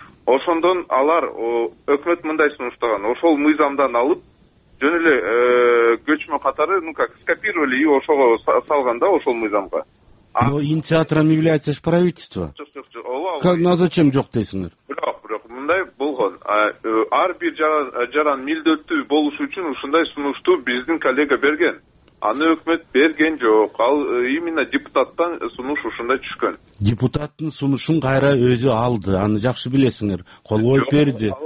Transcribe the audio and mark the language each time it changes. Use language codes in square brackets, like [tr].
[ky] Ошондон алар өкмөт мындай сунуштаган, ошол мыйзамдан алып жөн эле көчмө катары, [ru] ну как скопировали и [ky] ошого салган да, ошол мыйзамга. [ru] Но инициатором является правительство. [ky] Жок. На зачем жок дейсиңер? Жок. Мындай болгон. Ар бир жаран милдеттүү болушу үчүн ушундай сунушту биздин коллега берген. Аны өкмөт берген жок. Ал именно депутаттан сунуш ушундай түшкөн. Депутаттын сунушун кайра өзү алды. Аны жакшы билесиңер. Кол коюп берди.